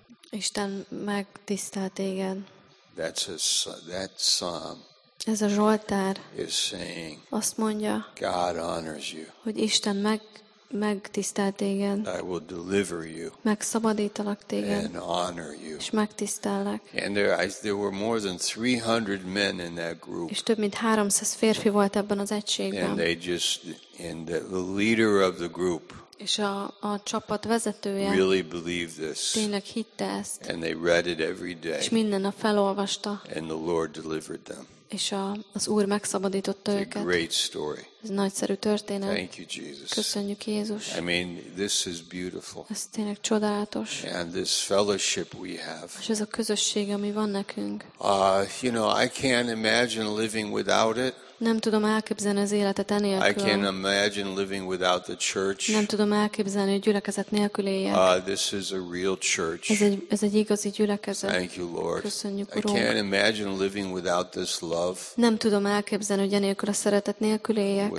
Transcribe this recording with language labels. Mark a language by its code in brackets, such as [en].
[hu] Isten megtisztelt téged. [en] That psalm. [hu] Ez a zsoltár. [en] Is saying. [hu] Azt mondja. [en] God honors you. [hu] Hogy Isten megtisztelt téged. [en] I will deliver you. [hu] Megszabadítalak téged. [en] And honor you. [hu] És megtisztellek. [en] And there were more than 300 men in that group. [hu] És több mint 300 férfi volt ebben az egységben. [en] And they just in the leader of the group. [hu] És a csapat vezetője [en] really believed this. [hu] Tényleg hitte ezt. [en] And they read it every day. [hu] És minden nap felolvasta. [en] And the Lord delivered them. [hu] És az Úr megszabadította [en] It's [hu] őket. [en] A great story. [hu] Ez nagyszerű történet. [en] Thank you, Jesus. [hu] Köszönjük, Jézus. [en] I mean, this is beautiful. [hu] Ez tényleg csodálatos. [en] And this fellowship we have. [hu] És ez a közösség, ami van nekünk. [en] You know, I can't imagine living without it. [hu] Nem tudom elképzelni az életet enélkül. [en] I can't imagine living without the church. [hu] Nem tudom elképzelni, hogy gyülekezet nélkül éljek. [en] This is a real church. [hu] Ez egy igazi gyülekezet. [en] Thank you, Lord. [hu] Köszönjük, Urunk. [en] I can't imagine living without this love. [hu] Nem tudom elképzelni, hogy enélkül a szeretet nélkül éljek.